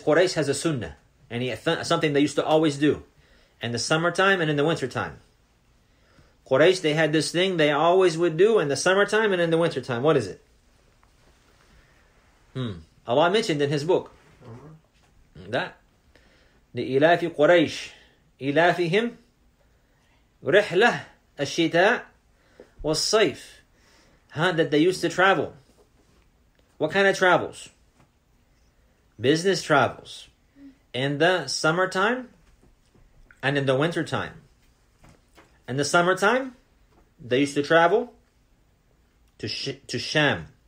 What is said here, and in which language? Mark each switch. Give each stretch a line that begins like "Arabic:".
English: Quraysh has a sunnah, and something they used to always do in the summertime and in the wintertime. Quraysh, they had this thing they always would do in the summertime and in the wintertime. What is it? Allah mentioned in His book. That. The ilafi Quraysh.
Arabic: إلافهم رحلة الشتاء والصيف.
English: Huh? That they used to travel. What kind of travels? Business travels. In the summertime and in the wintertime. In the summertime, they used to travel to Sham.